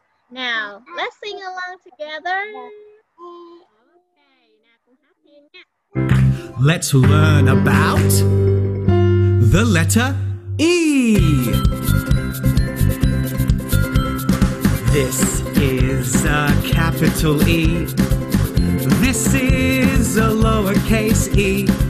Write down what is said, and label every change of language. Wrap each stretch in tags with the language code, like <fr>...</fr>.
<en>Now, let's sing along together. Okay, now</en> <vi>cùng hát thêm nha.</vi> <en>Let's learn about the letter E. This is a capital E. This is a lowercase e.</en>